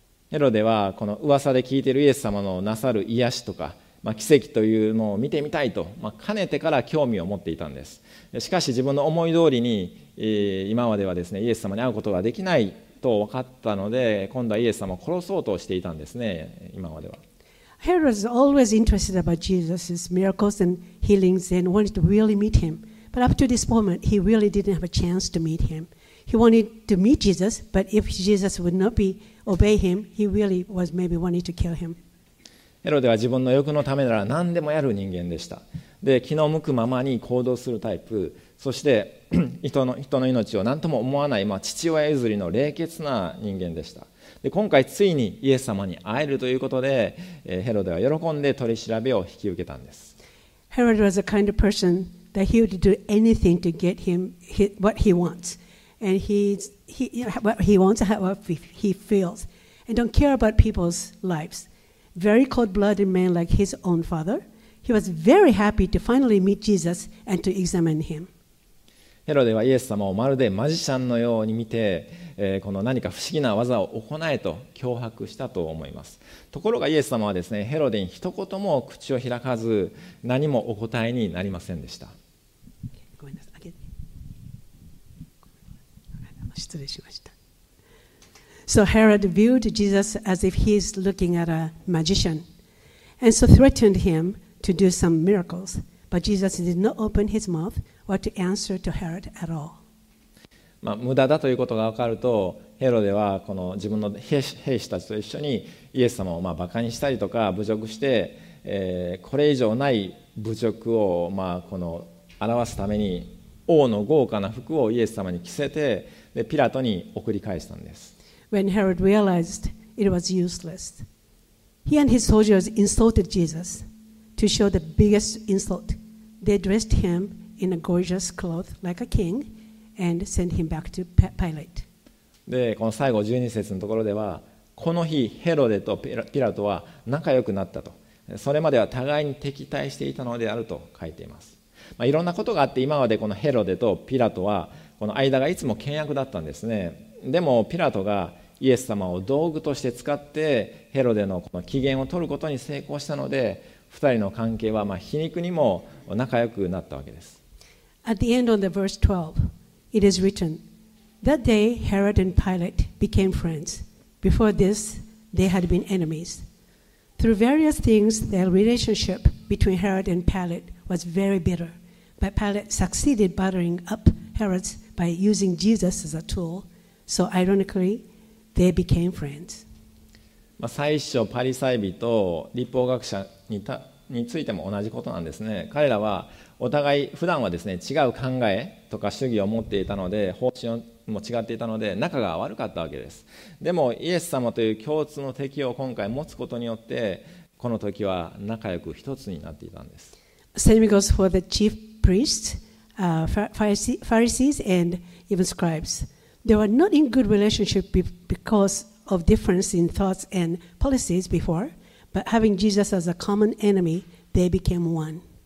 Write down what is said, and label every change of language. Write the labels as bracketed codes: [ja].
[ja] ヘロデはこの噂で聞いているイエス様のなさる癒しとか奇跡というのを見てみたいと、かねてから興味を持っていたんです。しかし自分の思い通りに今まではですね、イエス様に会うことができないと分かったので、今度はイエス様を殺そうとしていたんですね。今までは [en] Herod was always interested about Jesus' miracles and healings and wanted to really meet him, but up to this moment he really didn't have a chance to meet him. He wanted to meet Jesus, but if Jesus would not obey him, he really was maybe wanting to kill him. [ja] ヘロデは自分の欲のためなら何でもやる人間でした。で、気の向くままに行動するタイプ、そして人の命を何とも思わない、父親譲りの冷血な人間でした。で、今回ついにイエス様に会えるということで、ヘロデは喜んで取り調べを引き受けたんです。 [en] Herod was a kind of person that he would do anything to get him what he wants. And what he feels. And don't care about people's lives. Very cold-blooded man like his own father. He was very happy to finally meet Jesus and to examine him. [ja] ヘロデはイエス様をまるでマジシャンのように見て、この何か不思議な技を行えと脅迫したと思います。ところがイエス様はですね、ヘロデに一言も口を開かず、何もお答えになりませんでした。ごめんなさい。失礼しました。 [en] So Herod viewed Jesus as if he's looking at a magician, and so threatened him to do some miracles. But Jesus did not open his mouth or to answer to Herod at all. [ja] まあ、無駄だということが分かると、ヘロデはこの自分の兵士たちと一緒にイエス様をまあバカにしたりとか侮辱して、これ以上ない侮辱をまあこの表すために王の豪華な服をイエス様に着せて、でピラトに送り返したんです。 [en] When Herod realized it was useless, he and his soldiers insulted Jesus to show the biggest insult. They dressed him in a gorgeous cloth like a king and sent him back to Pilate. [ja] で、この最後12節のところでは、この日ヘロデとピラトは仲良くなったと。それまでは互いに敵対していたのであると書いています。まあ、いろんなことがあって、今までこのヘロデとピラトはこの間がいつも険悪だったんですね。でもピラトがイエス様を道具として使ってヘロデのこの機嫌を取ることに成功したので、二人の関係はまあ皮肉にも仲良くなったわけです。 [en] At the end of the verse 12, it is written, That day Herod and Pilate became friends. Before this, they had been enemies. Through various things, their relationship between Herod and Pilate was very bitter. But Pilate succeeded buttering up Herod by using Jesus as a tool. So ironically, they became friends. [ja] まあ、最初パリサイ人と律法学者 についても同じことなんですね。彼らはお互い普段はですね、違う考えとか主義を持っていたので、方針も違っていたので、仲が悪かったわけです。でもイエス様という共通の敵を今回持つことによって、この時は仲良く一つになっていたんです。 [en] Same goes for the chief priests, Pharisees, and even scribes. They were not in good relationship because of difference in thoughts and policies before, but having Jesus as a common enemy, they became one.